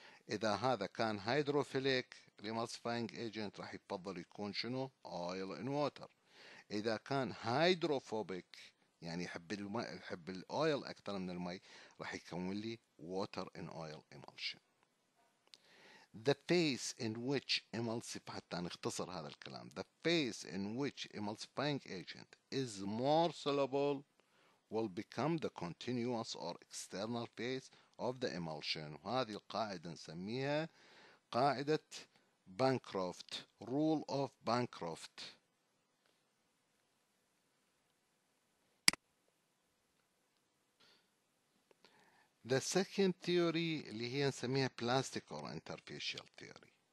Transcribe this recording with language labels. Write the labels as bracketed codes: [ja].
[ar] إذا هذا كان hydrophilic emulsifying agent راح يفضل يكون شنو oil in water. إذا كان hydrophobic يعني يحب الماء يحب الاويل أكثر من الماء راح يكون لي water in oil emulsion. [en] The phase in which emulsifying agent [ar] اختصر هذا الكلام. [en] The phase in which emulsifying agent is more soluble will become the continuous or external phase of the emulsion. [ar] وهذه القاعدة نسميها قاعدة بانكروفت. [en] Rule of Bancroft. The second theory [ar] اللي هي نسميها [en] plastic or interfacial theory.